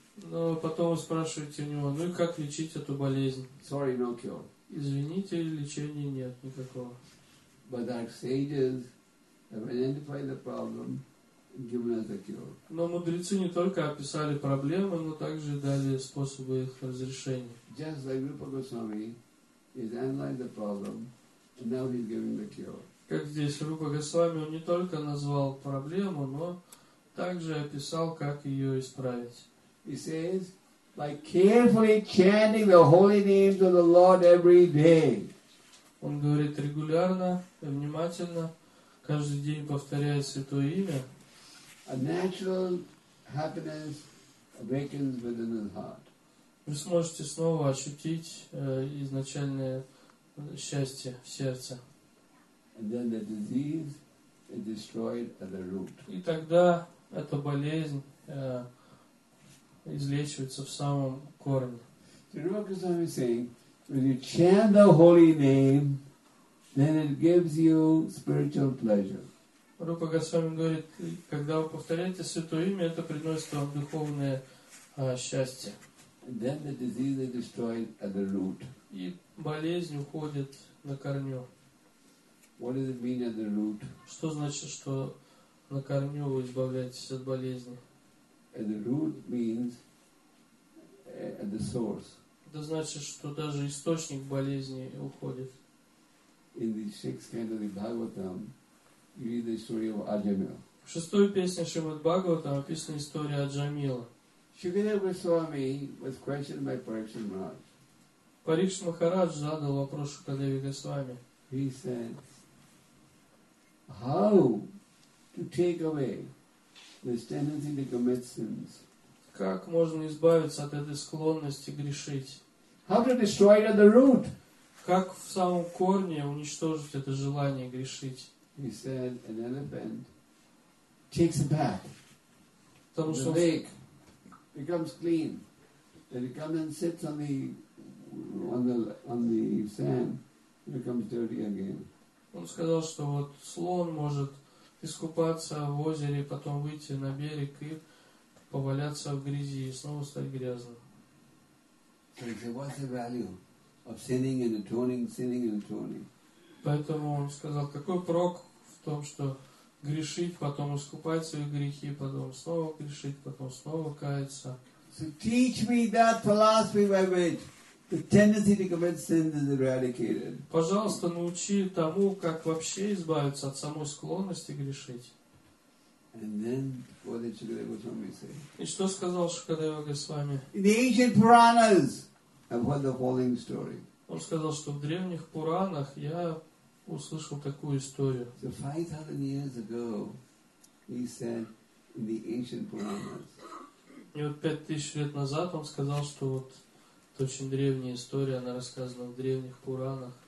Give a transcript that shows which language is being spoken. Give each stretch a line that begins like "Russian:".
Russian: Но потом вы спрашиваете у него, ну и как лечить эту болезнь?
English: Sorry, no cure.
Russian: Извините, лечения нет никакого.
English: But our sages have identified the problem and given us a cure.
Russian: Но мудрецы не только описали проблемы, но также дали способы их разрешения.
English: Just like Rupa Goswami has analyzed the problem, and now he's giving the cure.
Russian: Как здесь Рупа Госвами, он не только назвал проблему, но также описал, как ее исправить.
English: He says, by carefully chanting the holy names of the Lord every day.
Russian: Он говорит регулярно, внимательно, каждый день повторяя святое имя.
English: A natural happiness awakens within his heart.
Russian: Вы сможете снова ощутить изначальное счастье в сердце.
English: And then the disease is destroyed at the root.
Russian: И тогда эта болезнь излечивается в самом корне.
English: Rupa Goswami saying, when you chant the holy name, then it gives you spiritual pleasure.
Russian: Rupa Goswami говорит, когда вы повторяете святое имя, это приносит вам духовное счастье.
English: And then the disease is destroyed at the root.
Russian: И болезнь уходит на корню.
English: What does it mean at the root?
Russian: Что значит, что на корню вы избавляетесь от болезни?
English: At the root means at the source.
Russian: Это значит, что даже источник болезни уходит.
English: In the sixth canto of the Bhagavatam, you read the story of Ajamila.
Russian: В шестой песне Шримад Бхагаватам описана история Аджамила.
English: Shukadeva Goswami was questioned by Parikshit Maharaj.
Russian: Парикшит Махарадж задал вопрос Шукадеве Госвами.
English: He said, how to take away this tendency to commit sins.
Russian: Как можно избавиться от этой склонности грешить?
English: How to destroy it at the root?
Russian: Как в самом корне уничтожить это желание грешить?
English: He said, an elephant takes a bath.
Russian: Потому
English: the
Russian: что
English: lake becomes clean. Then it comes and sits on the sand, it becomes dirty again.
Russian: Он сказал, что вот слон может искупаться в озере, потом выйти на берег и поваляться в грязи и снова стать грязным.
English: So he said, what's the value of sinning and atoning, sinning and atoning?
Russian: Поэтому он сказал, какой прок в том, что грешить, потом искупать свои грехи, потом снова грешить, потом снова каяться.
English: So teach me that philosophy by which the tendency to commit sin is eradicated.
Russian: Пожалуйста, научи тому, как вообще избавиться от самой склонности грешить.
English: And then, what did Shukadeva Goswami say?
Russian: И что сказал Шукадева Госвами?
English: In the ancient Puranas, I've heard the following story.
Russian: Он сказал, что в древних Пуранах я услышал такую историю.
English: So 5,000 years ago, he said, in the ancient Puranas.
Russian: И вот 5,000 лет назад он сказал, что вот это очень древняя история, она рассказана в древних Пуранах.